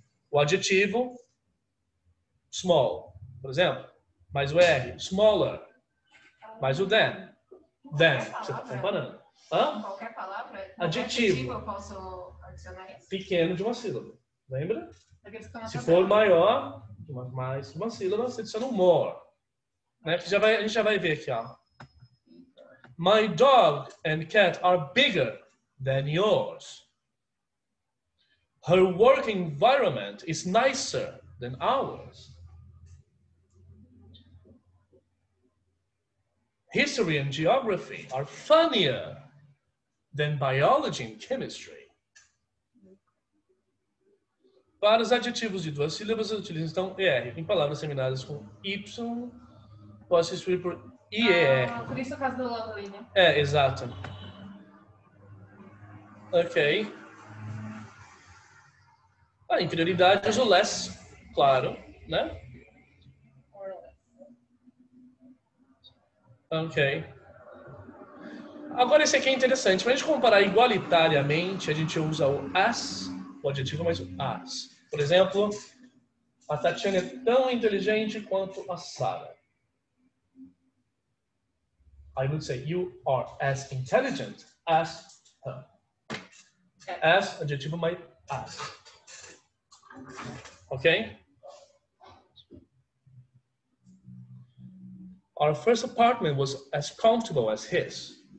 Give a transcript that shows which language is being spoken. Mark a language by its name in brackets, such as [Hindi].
[Portuguese] O adjetivo, small, por exemplo, mais o R, smaller, mais o than, than, você está comparando. Hã? Qualquer palavra, adjetivo, eu posso adicionar isso? Pequeno, de uma sílaba, lembra? Se for maior, mais uma sílaba, você adiciona um more. Né? Que já vai, a gente já vai ver aqui. Ó. [English] My dog and cat are bigger than yours. Her work environment is nicer than ours. History and geography are funnier than biology and chemistry. [Portuguese] Para os adjetivos de duas sílabas, utilizam então ER. Em palavras terminadas com Y, posso substituir por IER. Ah, por isso o caso do Lovely, né? É, exato. Ok. A inferioridade usa o less, claro, né? Ok. Agora esse aqui é interessante. Para a gente comparar igualitariamente, a gente usa o as, o adjetivo, mas o as. Por exemplo, a Tatiana é tão inteligente quanto a Sarah. [English] I would say you are as intelligent as her. [Portuguese] As, adjetivo, mas as. Ok? [English] Our first apartment was as comfortable as his.